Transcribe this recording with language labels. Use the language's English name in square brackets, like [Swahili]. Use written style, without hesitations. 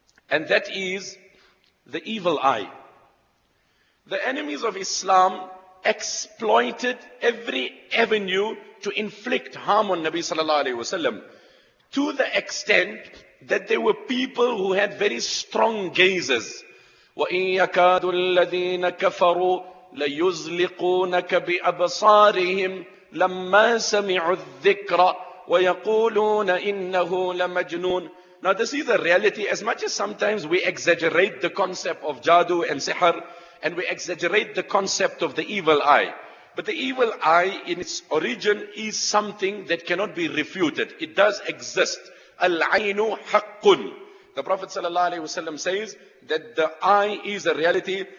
[English] And that is the evil eye. The enemies of Islam exploited every avenue to inflict harm on Nabi sallallahu alaihi wasallam. To the extent that there were people who had very strong gazes. [Arabic] وَإِن يَكَادُ الَّذِينَ كَفَرُوا لَيُزْلِقُونَكَ بِأَبْصَارِهِمْ لَمَّا سَمِعُوا الذِّكْرَ وَيَقُولُونَ إِنَّهُ لَمَجْنُونَ [English] Now this is a reality. As much as sometimes we exaggerate the concept of jadu and sihr, and we exaggerate the concept of the evil eye. But the evil eye in its origin is something that cannot be refuted. It does exist. [Arabic] Al-aynu haqqun. [English] The Prophet sallallahu alaihi wasallam says that the eye is a reality.